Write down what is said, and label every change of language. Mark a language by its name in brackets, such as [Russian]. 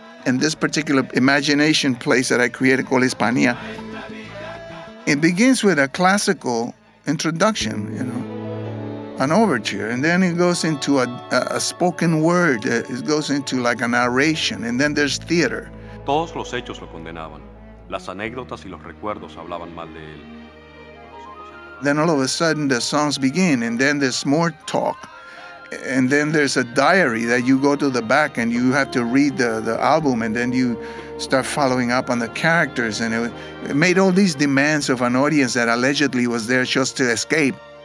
[English] And this particular imagination place that I created called Hispania, it begins with a classical introduction, you know, an overture. And then it goes into a spoken word. It goes into like a narration. And then there's theater. [Spanish] Todos los hechos lo condenaban. Las anécdotas y los recuerdos hablaban mal de él. [English] Then all of a sudden the songs begin, and then there's more talk. And then there's a diary that you go to the back and you have to read the album, and then you start following up on the characters. And it made all these demands of an audience that allegedly was there just to escape.